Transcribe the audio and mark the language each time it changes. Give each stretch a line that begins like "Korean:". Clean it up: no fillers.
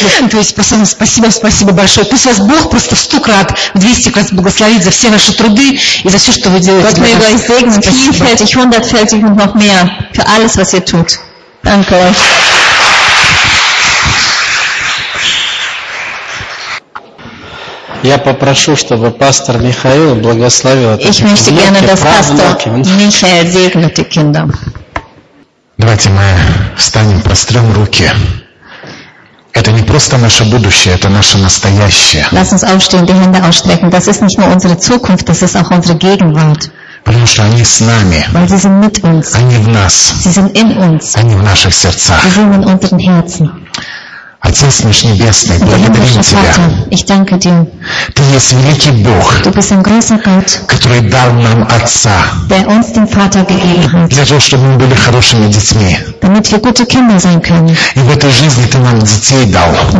Russian: то есть просто спасибо большое. Пусть вас Бог просто в 100 крат, в 200 крат благословит за все наши труды и за все, что вы делаете.
German: Gott segne euch vielfältig, hundertfältig und noch mehr für alles, was ihr tut. Danke euch.
Russian: Я попрошу, чтобы пастор Михаил благословил этих внуки. Давайте мы встанем, прострем руки. Это не просто наше будущее, это наше настоящее.
German: Lass uns aufstehen, die Hände ausstrecken. Das ist nicht nur unsere Zukunft, das ist auch unsere Gegenwart.
Russian: Потому что они с нами.
German: Weil sie sind mit uns.
Russian: Они в нас.
German: Sie sind in uns.
Russian: Они в наших сердцах.
German: Sie sind in unseren Herzen.
Russian: Отец наш Небесный, благодарим Тебя. Ты есть великий Бог, который дал нам Отца для того, чтобы мы были хорошими детьми. И в этой жизни Ты нам детей дал.